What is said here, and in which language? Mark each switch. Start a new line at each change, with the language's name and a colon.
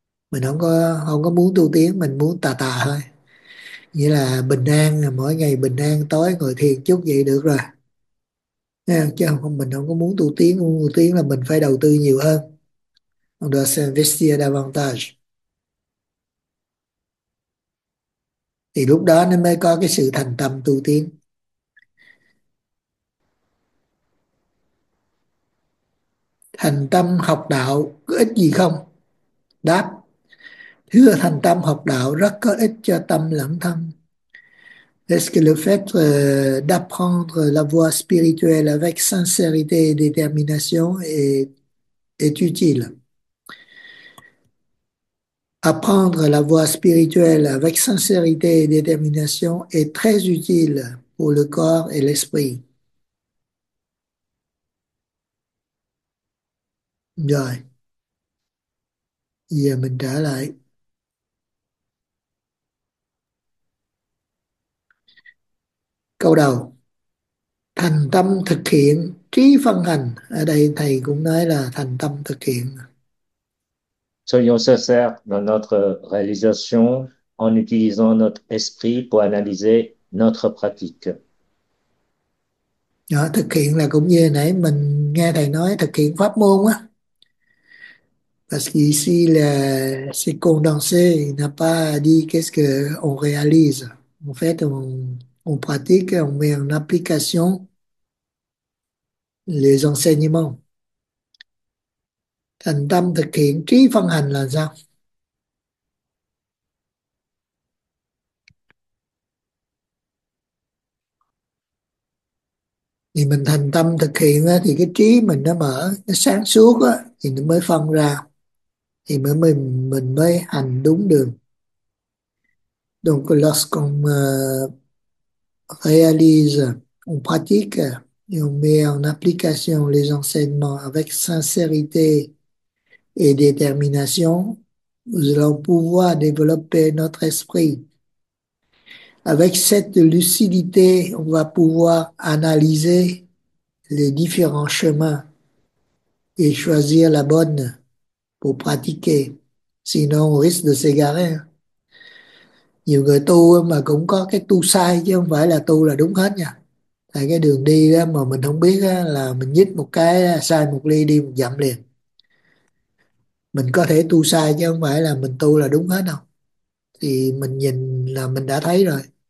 Vietnamese: Mình không có muốn tu tiến, mình muốn tà tà thôi. Nghĩa là bình an, mỗi ngày bình an, tối ngồi thiền chút vậy được rồi. Nên, chứ không, mình không có muốn tu tiến. Tu tiến là mình phải đầu tư nhiều hơn.
French: On doit s'investir davantage.
Vietnamese: Thì lúc đó nó mới có cái sự thành tâm tu tiến. Thành tâm học đạo có ích gì không? Đáp, thưa thành tâm học đạo rất có ích cho tâm lẫn thân.
French: Est-ce que le fait d'apprendre la voie spirituelle avec sincérité et détermination est utile? Apprendre la voie spirituelle avec sincérité et détermination est très utile pour le corps et l'esprit.
Vietnamese: Rồi. Giờ mình trở lại. Câu đầu. Thành tâm thực hiện trí phân hành. Ở đây thầy cũng nói là thành tâm thực hiện.
French: Soyons sincères dans notre réalisation en utilisant notre esprit pour analyser notre pratique.
Vietnamese: Đó, thực hiện là cũng như nãy mình nghe thầy nói thực hiện pháp môn á,
French: Parce qu'ici, c'est condensé, il n'a pas dit qu'est-ce qu'on réalise. En fait, on pratique, on met en application les enseignements.
Vietnamese: Thành tâm thực hiện trí phân hành là sao? Thì mình thành tâm thực hiện thì cái trí mình nó mở, nó sáng suốt thì nó mới phân ra, thì mình mới hành đúng đường.
French: Donc lorsqu'on réalise, on pratique et on met en application les enseignements avec sincérité et détermination, nous allons pouvoir développer notre esprit. Avec cette lucidité, on va pouvoir analyser les différents chemins et choisir la bonne pour pratiquer. Sinon, on risque de s'égarer.
Vietnamese: Nhiều người tu mà cũng có cái tu sai chứ không phải là tu là đúng hết nha. Tại cái đường đi đó mà mình không biết đó, là mình nhích một cái sai một ly đi một dặm liền. Mình có thể tu sai chứ không phải là mình tu là đúng hết đâu. Thì mình nhìn là mình đã thấy rồi.